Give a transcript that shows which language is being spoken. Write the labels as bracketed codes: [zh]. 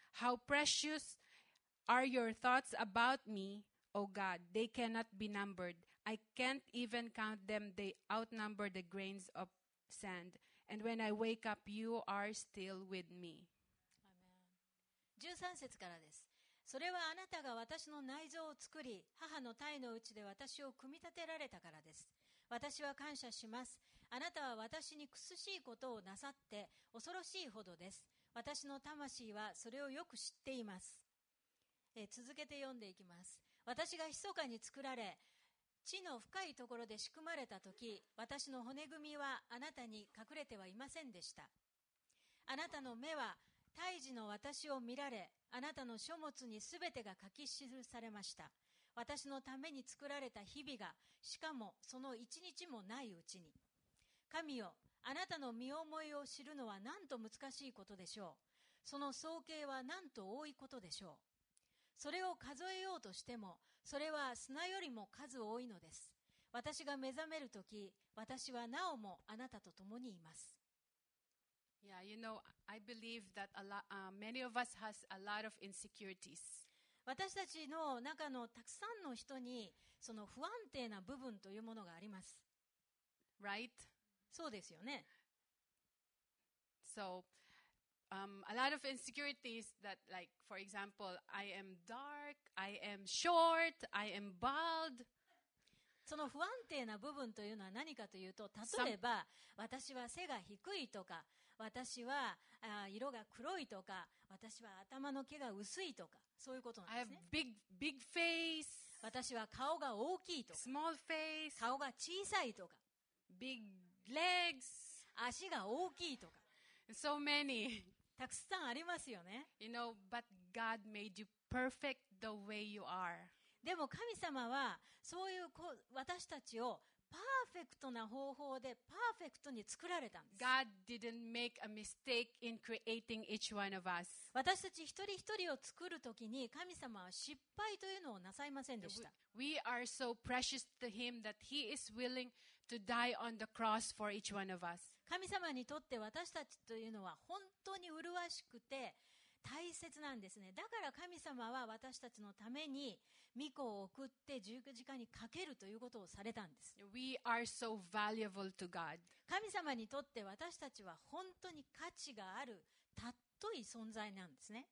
[en] How precious are your thoughts about me, O God. They cannot be numbered. I can't even count them. They outnumber the grains of sand. And when I wake up, you are still with me. [ja] Amen. 13節からです。それはあなたが私の内臓を作り、母の胎のうちで私を組み立てられたからです。私は感謝します。あなたは私に苦しいことをなさって恐ろしいほどです。私の魂はそれをよく知っています。続けて読んでいきます。私が密かに作られ、地の深いところで仕組まれたとき、私の骨組みはあなたに隠れてはいませんでした。あなたの目は胎児の私を見られ、あなたの書物にすべてが書き記されました。私のために作られた日々が、しかもその一日もないうちに。神よ、あなたの身思いを知るのはなんと難しいことでしょう。その総計はなんと多いことでしょう。それを数えようとしても、それは砂よりも数多いのです。私が目覚めるとき、私はなおもあなたと共にいます。 [en] Yeah, you know, I believe that a lot, many of us has a lot of insecurities. [ja] 私たちの中のたくさんの人にその不安定な部分というものがあります。 [en] Right? [ja] そうですよね。 [en] So, a lot of insecurities that, like, for example, I am dark, I am short, I am bald. [ja] その不安定な部分というのは何かというと、例えば私は背が低いとか、私は色が黒いとか、私は頭の毛が薄いとか、そういうことなんですね。 [en] I have big face. [ja] 私は顔が大きいとか、 [en] small face. [ja] 顔が小さいとか、 [en] big legs. [ja] 足が大きいとか、 [en] so many. [ja] たくさんありますよね。 [en] You know, but God made you perfect the way you are. [ja] でも神様はそういう私たちをパーフェクトな方法でパーフェクトに作られたんです。 [en] God didn't make a mistake in creating each one of us. [ja] 私たち一人一人を作るときに神様は失敗というのをなさいませんでした。 [en] We are so precious to him that he is willing to die on the cross for each one of us. [ja] 神様にとって私たちというのは本当に麗しくて大切なんですね。だから神様は私たちのために御子を送って十字架にかけるということをされたんです。 [en] We are so valuable to God. [ja] 神様にとって私たちは本当に価値がある尊い存在なんですね。